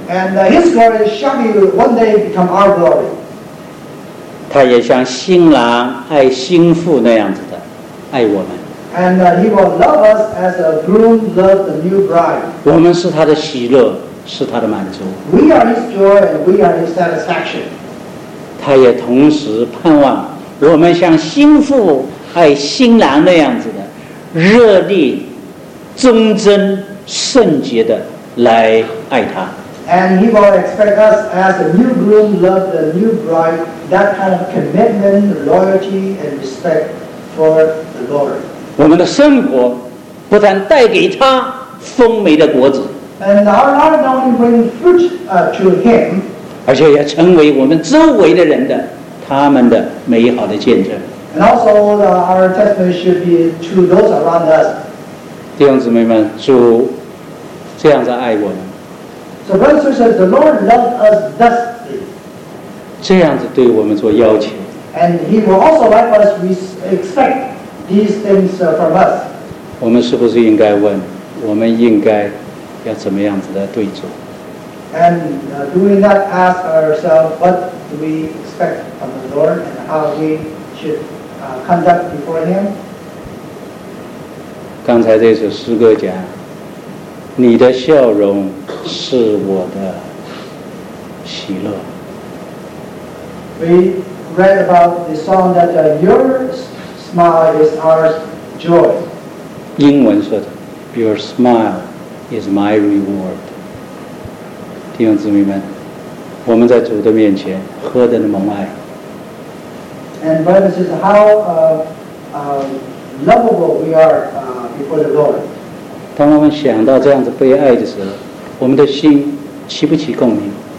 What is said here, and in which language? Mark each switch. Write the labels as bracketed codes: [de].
[en] And His glory shall be one day become our glory. [zh] 他也像新郎爱新妇那样子的爱我们。 [en] And He will love us as a groom loves the new bride. [zh] 我们是他的喜乐，是他的满足。 [en] We are his joy and we are his satisfaction. [zh] 他也同时盼望我们像心腹爱新郎那样子的热烈、忠贞、圣洁的来爱他。 [en] And he will expect us as a new groom love the new bride that kind of commitment, loyalty, and respect for the Lord. [zh] 我们的生活不但带给他丰美的果子。 [en] And our life not only bring fruit to him, [zh] 而且也成为我们周围的人的他们的美好的见证。 [en] And also our testimony should be to those around us. [zh] 弟兄姊妹们，主这样子爱我们。 [en] So brother says, the Lord loved us thusly. [zh] 这样子对我们做要求。 [en] And he will also likewise expect these things from us. [zh] 我们是不是应该问，我们应该要怎么样子来对主？ [en] And do we not ask ourselves, what do we expect from the Lord and how we should conduct before him? [zh] 刚才这首诗歌讲，你的笑容是我的喜乐。 [en] We read about the song that your smile is our joy. [zh] 英文说的 [en] ，Your smile is my reward. [zh] 弟兄姊妹们，我们在主的面前何等的蒙爱。 [en] And brothers, how lovable we are before the Lord. [zh] 当我们想到这样子被爱的时候，我们的心起不起共鸣？